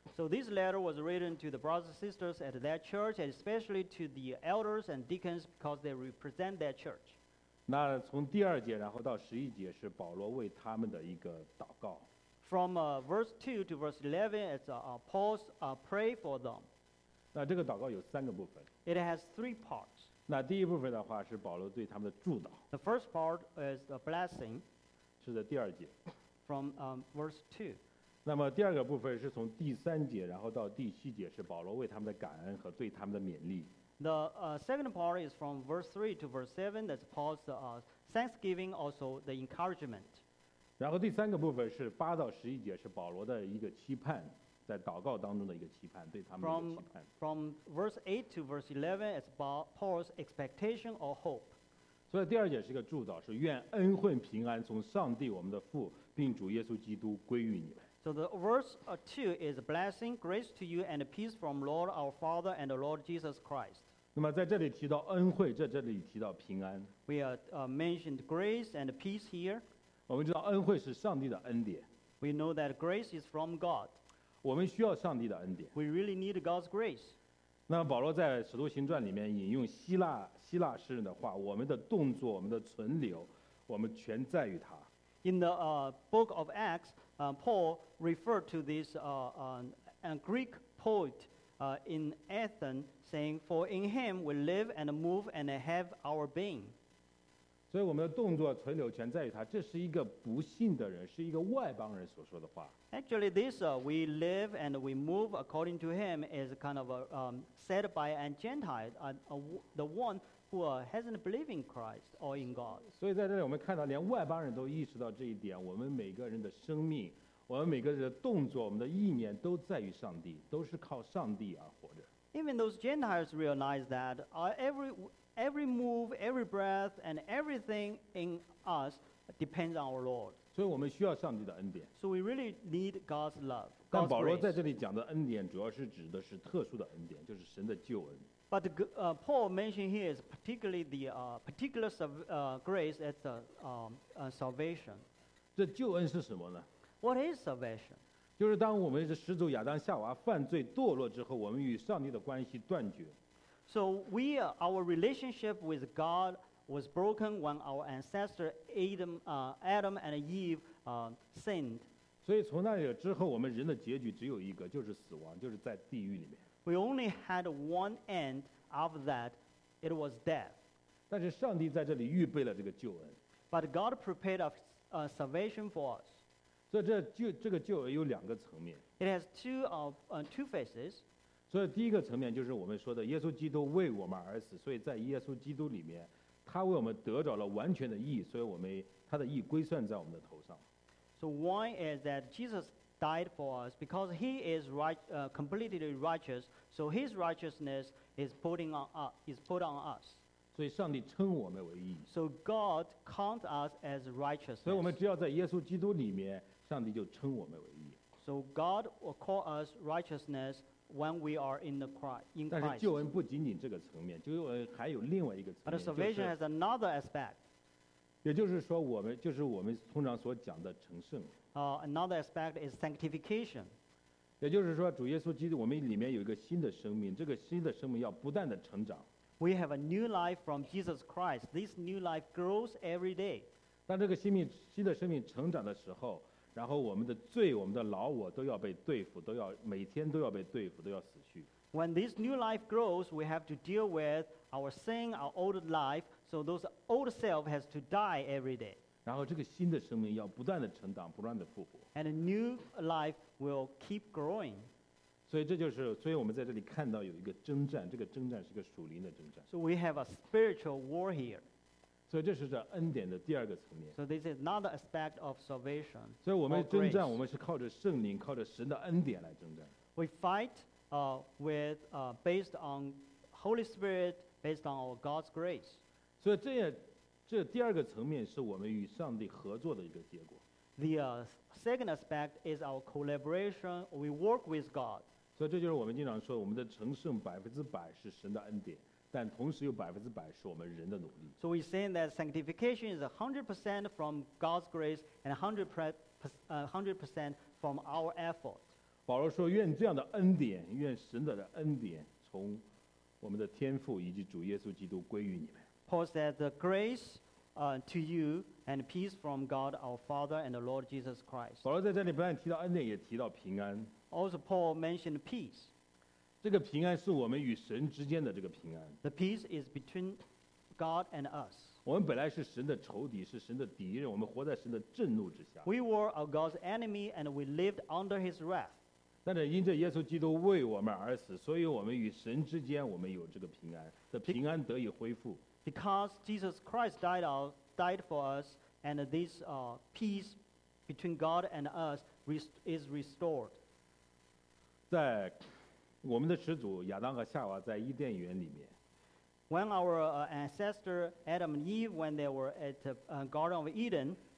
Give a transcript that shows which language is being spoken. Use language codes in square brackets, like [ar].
[en] So this letter was written to the brothers and sisters at that church, and especially to the elders and deacons because they represent that church. [zh] 那从第二节然后到十一节是保罗为他们的一个祷告。 [en] From verse 2 to verse 11, it's Paul's pray for them. [zh] 那这个祷告有三个部分。 [en] It has three parts. [zh] 那第一部分的话是保罗对他们的祝祷。 [en] The first part is the blessing. [zh] 是在第二节。 [en] From verse 2. [zh] 那么第二个部分是从第三节然后到第七节是保罗为他们的感恩和对他们的勉励。 [en] The second part is from verse 3 to verse 7. That's Paul's thanksgiving, also the encouragement. [zh] 然后第三个部分是八到十一节是保罗的一个期盼，在祷告当中的一个期盼，对他们的一个期盼。 [en] From verse 8 to verse 11, it's Paul's expectation or hope. [zh] 所以第二节是一个祝祷，是愿恩惠平安从上帝我们的父。并主耶稣基督归于你们。 [en] So the verse 2 is a blessing, grace to you and peace from Lord our Father and the Lord Jesus Christ. [zh] 那么在这里提到恩惠，在这里提到平安。 [en] We are mentioned grace and peace here. [zh] 我们知道恩惠是上帝的恩典。 [en] We know that grace is from God. [zh] 我们需要上帝的恩典。 [en] We really need God's grace. [zh] 那保罗在使徒行传里面引用希腊诗人的话，我们的动作，我们的存留，我们全在于他。 [en] In the book of Acts, Paul referred to this Greek poet in Athens, saying, "For in him we live and move and have our being." [zh] 所以我们的动作存留权在于他，这是一个不信的人，是一个外邦人所说的话。 [en] Actually, this we live and we move according to him is kind of said by a Gentile, the one who hasn't believed in Christ or in God. [zh] 所以在这里我们看到，连外邦人都意识到这一点，我们每个人的生命。我们每个人的动作，我们的意念都在于上帝，都是靠上帝而活着。 [en] Even those Gentiles realize that every move, every breath, and everything in us depends on our Lord. [zh] 所以我们需要上帝的恩典。 [en] So we really need God's love. [zh] 但保罗在这里讲的恩典，主要是指的是特殊的恩典，就是神的救恩。 [en] But Paul mentioned here is particularly the particular grace at the salvation. [zh] 这救恩是什么呢？ [en] What is salvation? [zh] 就是当我们是始祖亚当夏娃犯罪堕落之后，我们与上帝的关系断绝。 [en] So we, our relationship with God was broken when our ancestor Adam and Eve sinned. [zh] 所以从那里之后，我们人的结局只有一个，就是死亡，就是在地狱里面。 [en] We only had one end of that; it was death. [zh] 但是上帝在这里预备了这个救恩。 [en] But God prepared a salvation for us. [zh] 所以这个救恩有两个层面。 [en] It has two faces. [zh] 所以第一个层面就是我们说的，耶稣基督为我们而死，所以在耶稣基督里面，他为我们得着了完全的义，所以我们他的义归算在我们的头上。 [en] So one is that Jesus died for us because he is completely righteous, so his righteousness is put on us. [zh] 所以上帝称我们为义。 [en] So God counts us as righteous. [zh] 所以我们只要在耶稣基督里面，上帝就称我们为义。 [en] So God will call us righteousness when we are in the Christ. [zh] 但是救恩不仅仅这个层面，救恩还有另外一个层面。 [en] But salvation has another aspect. [zh] 也就是说，我们通常所讲的成圣。 [en] Another aspect is sanctification. [zh] 也就是说，主耶稣基督，我们里面有一个新的生命，这个新的生命要不断的成长。 [en] We have a new life from Jesus Christ. This new life grows every day. [zh] 当这个新的生命成长的时候，然后我们的罪、我们的老我都要被对付，都要每天都要被对付，都要死去。 [en] When this new life grows, we have to deal with our sin, our old life. So those old self has to die every day. [zh] 然后这个新的生命要不断的成长，不断的复活。 [en] And a new life will keep growing. [zh] 所以我们在这里看到有一个征战，这个征战是一个属灵的征战。 [en] So we have a spiritual war here. [zh] 所以这是这恩典的第二个层面。 [en] So this is another aspect of salvation. [zh] 所以我们征战，我们是靠着圣灵，靠着神的恩典来征战。 [en] We fight based on Holy Spirit, based on our God's grace. [zh] 所以这第二个层面是我们与上帝合作的一个结果。 [en] The second aspect is our collaboration. We work with God. So this is what we often say: our salvation is 100% God's grace, but at the same time, 100% is our effort. So we say that sanctification is 100% from God's grace and 100% from our effort. Paul says, "May this kind of grace, may God's grace, from our Father and from our Lord Jesus Christ, be to you." Paul said, "The grace." To you and peace from God our Father and the Lord Jesus Christ. [zh] 保罗在这里不但提到恩典，也提到平安。 [en] Also, Paul mentioned peace. [zh] 这个平安是我们与神之间的这个平安。 [en] The peace is between God and us. [zh] 我们本来是神的仇敌，是神的敌人，我们活在神的震怒之下。 [en] We were a God's enemy and we lived under His wrath. [zh] 但是因着耶稣基督为我们而死，所以我们与神之间我们有这个平安，这平安得以恢复。 [en] Because Jesus Christ died for us, and this peace between God and us is restored. [zh] 在我们的始祖亚当和夏娃在伊甸园里面。 [en] When our ancestor Adam and Eve, when they were at the Garden of Eden,